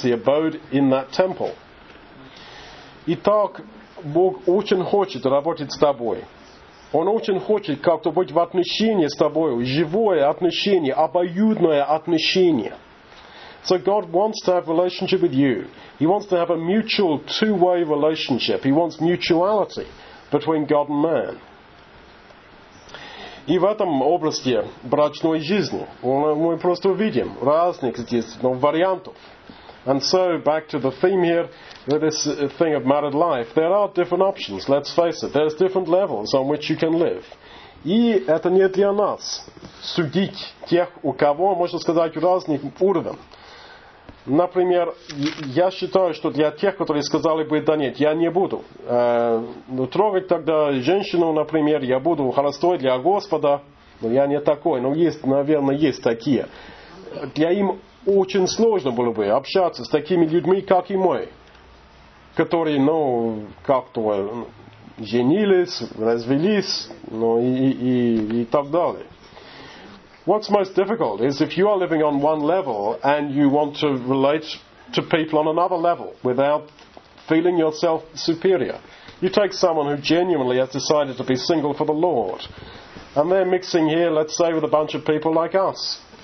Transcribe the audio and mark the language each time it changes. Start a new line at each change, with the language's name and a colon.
English: He abode in that temple.
Russian: Итак, Бог очень хочет работать с тобой. Он очень хочет как-то быть в отношении с тобой, живое отношение, обоюдное отношение.
English: So God wants to have a relationship with you. He wants to have a mutual two-way relationship. He wants mutuality between God and man.
Russian: И в этом области брачной жизни мы просто видим разных здесь, ну, вариантов.
English: And so, back to the theme here, this thing of married life, there are different options, let's face it. There's different levels on which you can live.
Russian: И это не для нас судить тех, у кого, можно сказать, разных уровней. Например, я считаю, что для тех, которые сказали бы, да нет, я не буду трогать тогда женщину, например, я буду холостой для Господа. Но я не такой, но есть, наверное, есть такие. Для им очень сложно было бы общаться с такими людьми, как и мы, которые, ну, как-то женились, развелись, ну, и так далее.
English: What's most difficult is if you are living on one level and you want to relate to people on another level without feeling yourself superior. You take someone who genuinely has decided to be single for the Lord, and they're mixing here, let's say, with a bunch of people like us.